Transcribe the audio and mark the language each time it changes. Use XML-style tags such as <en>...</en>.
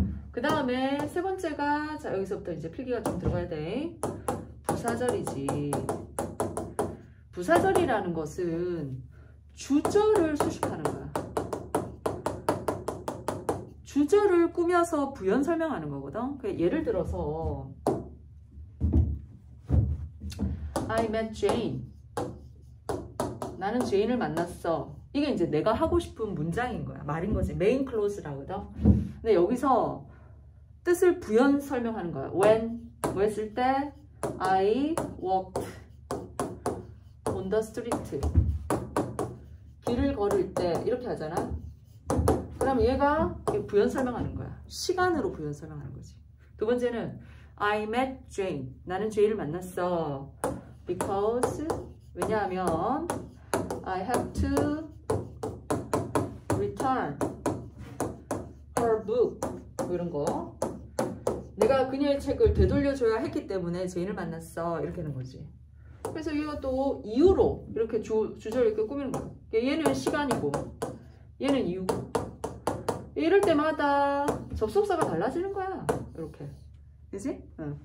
<ko>그 다음에 세 번째가, 자, 여기서부터 이제 필기가 좀 들어가야 돼. 부사절이지. 부사절이라는 것은 주절을 수식하는 거야. 주절을 꾸며서 부연 설명하는 거거든. 예를 들어서,</ko> <en>I met Jane.</en> <ko>나는 제인을 만났어. 이게 이제 내가 하고 싶은 문장인 거야. 말인 거지. 메인 클로즈라거든. 근데 여기서 뜻을 부연 설명하는 거야.</ko> <en>When,</en> <ko>뭐 했을 때,</ko> <en>I walked on the street.</en> <ko>길을 걸을 때, 이렇게 하잖아. 그럼 얘가 부연 설명하는 거야. 시간으로 부연 설명하는 거지. 두 번째는,</ko> <en>I met Jane.</en> <ko>나는 제인을 만났어.</ko> <en>Because,</en> <ko>왜냐하면,</ko> <en>I have to return her book.</en> <ko>이런 거. 내가 그녀의 책을 되돌려줘야 했기 때문에 제인을 만났어. 이렇게 하는 거지. 그래서 이것도 이유로 이렇게 주절을 이렇게 꾸미는 거야. 얘는 시간이고, 얘는 이유고. 이럴 때마다 접속사가 달라지는 거야. 이렇게. 그지? 응.</ko>